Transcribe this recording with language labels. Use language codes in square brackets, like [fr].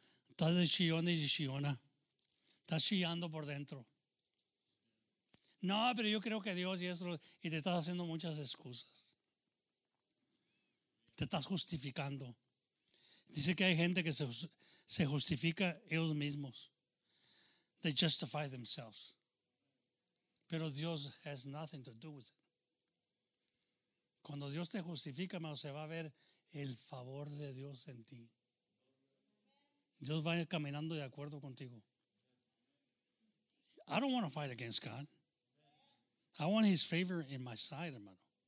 [es] Estás de chillona y de chillona. Estás chillando por dentro. No, pero yo creo que Dios y esto. Y te estás haciendo muchas excusas. Te estás justificando. Dice que hay gente que se justifica ellos mismos. [en] They justify themselves. Pero Dios has nothing to do with it. [es] Cuando Dios te justifica, hermano, se va a ver el favor de Dios en ti. Dios va caminando de acuerdo contigo. [en] I don't want to fight against God. I want his favor in my side, hermano.